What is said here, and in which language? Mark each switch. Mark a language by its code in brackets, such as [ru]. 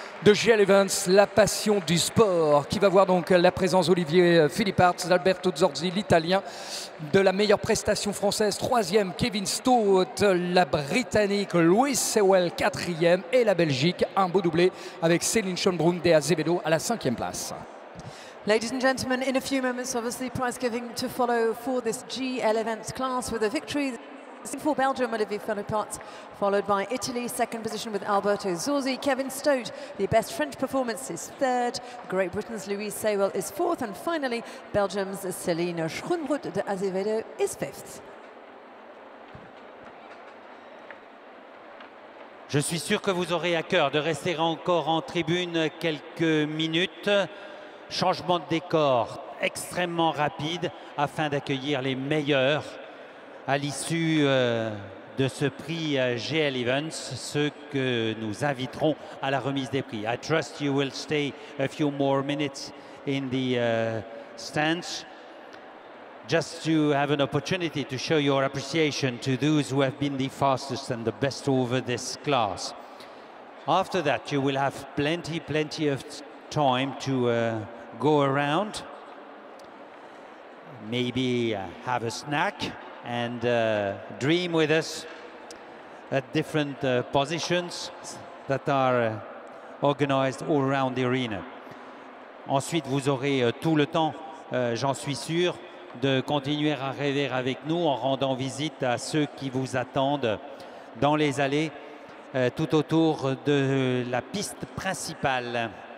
[fr] de GL Events, la passion du sport, qui va voir donc la présence d'Olivier Philippart, Alberto Zorzi, l'Italien, de la meilleure prestation française, troisième, Kevin Stout, la Britannique, Louis Sewell, quatrième, et la Belgique, un beau doublé avec Céline Schönbrunn de Azevedo à la cinquième place. [en] Ladies and gentlemen, in a few moments, obviously, prize giving to follow for this GL Events class with a victory for Belgium, Olivier Philippart, followed by Italy, second position with Alberto Zorzi, Kevin Stout, the best French performance is third, Great Britain's Louise Sewell is fourth, and finally, Belgium's Céline Schönbrunn de Azevedo is fifth. [fr] Je suis sûr que vous aurez à cœur de rester encore en tribune quelques minutes. Changement de décor extrêmement rapide afin d'accueillir les meilleurs à l'issue de ce prix GL Events, ceux que nous inviterons à la remise des prix. [en] I trust you will stay a few more minutes in the stands just to have an opportunity to show your appreciation to those who have been the fastest and the best over this class. After that, you will have plenty of time to go around, maybe have a snack and dream with us at different positions that are organized all around the arena. [fr] Ensuite, vous aurez tout le temps, j'en suis sûr, de continuer à rêver avec nous en rendant visite à ceux qui vous attendent dans les allées tout autour de la piste principale.